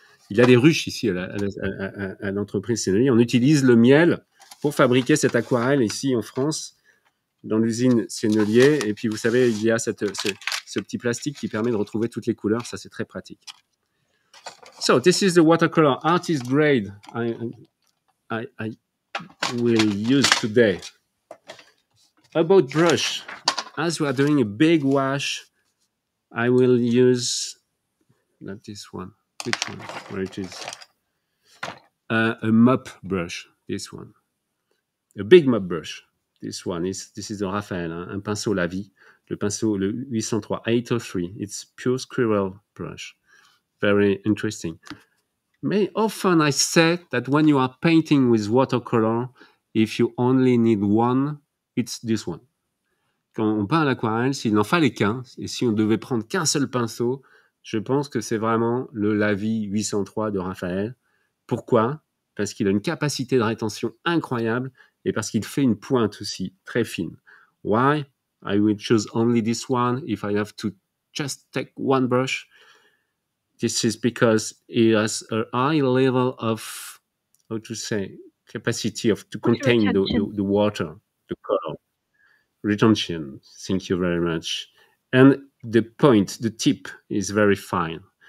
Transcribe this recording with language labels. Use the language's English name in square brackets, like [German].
[French] Il y a des ruches ici à l'entreprise Sennelier. On utilise le miel pour fabriquer cette aquarelle ici en France, dans l'usine Sennelier. Et puis, vous savez, il y a ce petit plastique qui permet de retrouver toutes les couleurs. Ça, c'est très pratique. [English] So, this is the watercolor artist grade I will use today. About brush. As we are doing a big wash, I will use, not this one, which one, where it is? A mop brush, this one. A big mop brush. This one is, this is a Raphael, [French] hein, un pinceau lavis, le pinceau, le 803, 803. [English] It's pure squirrel brush. Very interesting. Many often I say that when you are painting with watercolor, if you only need one, it's this one. [French] Quand on peint à l'aquarelle, s'il n'en fallait qu'un, et si on devait prendre qu'un seul pinceau, je pense que c'est vraiment le lavis 803 de Raphaël. Pourquoi? Parce qu'il a une capacité de rétention incroyable. Et parce qu'il fait une pointe aussi très fine. [English] Why I would choose only this one if I have to just take one brush? This is because it has a high level of, how to say, capacity of to contain the water, the color. Retention, thank you very much. And the point, the tip is very fine.